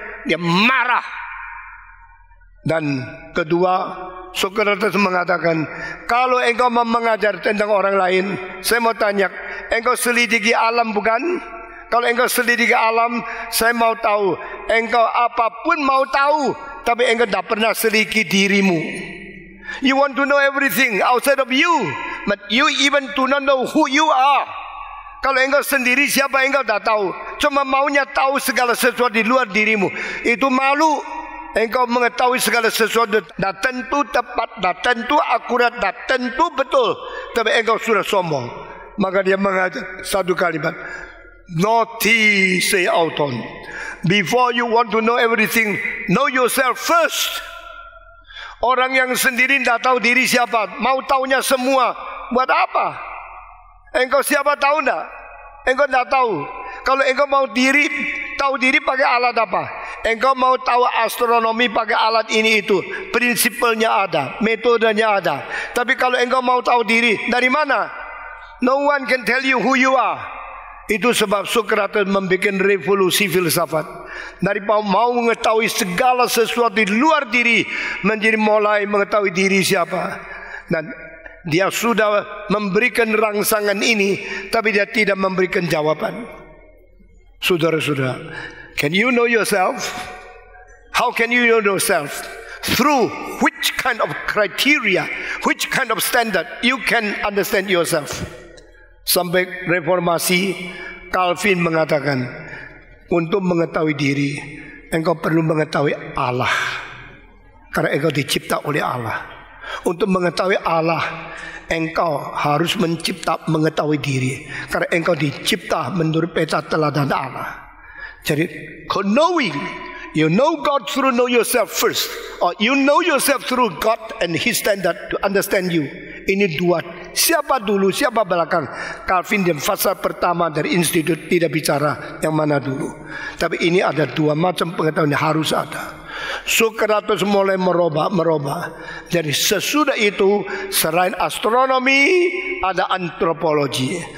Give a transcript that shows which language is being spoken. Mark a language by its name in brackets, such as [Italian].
[Indonesian] Dia marah. Dan kedua, Socrates mengatakan, kalau engkau mengajar tentang orang lain, saya mau tanya, engkau selidiki alam bukan? Kalau engkau selidiki alam, saya mau tahu, engkau apapun mau tahu, tapi engkau tidak pernah selidiki dirimu. [English] You want to know everything outside of you, but you even do not know who you are. [Indonesian] Kalau engkau sendiri, siapa engkau tidak tahu, cuma maunya tahu segala sesuatu di luar dirimu, itu malu. Engkau mengetahui segala sesuatu, dah tentu tepat, dah tentu akurat, dah tentu betul, tapi engkau sudah sombong. Maka dia mengajar satu kalimat, naughty say Auton, [English] before you want to know everything, know yourself first. [Indonesian] Orang yang sendiri tidak tahu diri siapa, mau tahunya semua, buat apa? Engkau siapa tahu tidak? Engkau tidak tahu. Kalau engkau mau diri, tahu diri pakai alat apa? Engkau mau tahu astronomi pakai alat ini itu, prinsipalnya ada, metodenya ada. Tapi kalau engkau mau tahu diri, dari mana? [English] No one can tell you who you are. [Indonesian] Itu sebab Socrates membuat revolusi filsafat. Dari mau mengetahui segala sesuatu di luar diri, menjadi mulai mengetahui diri siapa. Dan dia sudah memberikan rangsangan ini, tapi dia tidak memberikan jawaban. Saudara-saudara, [English] can you know yourself? How can you know yourself? Through which kind of criteria, which kind of standard you can understand yourself? [Indonesian] Sampai reformasi, Calvin mengatakan, untuk mengetahui diri, engkau perlu mengetahui Allah. Karena engkau dicipta oleh Allah. Untuk mengetahui Allah, engkau harus mencipta mengetahui diri. Karena engkau dicipta menurut peta teladan Allah. Jadi, [English] knowing, you know God through know yourself first. Or you know yourself through God and His standard to understand you. [Indonesian] Ini dua, siapa dulu, siapa belakang. Calvin dan fasa pertama dari institut tidak bicara yang mana dulu. Tapi ini ada dua macam pengetahuan yang harus ada. Socrates mulai merubah. Jadi sesudah itu, selain astronomi, ada antropologi.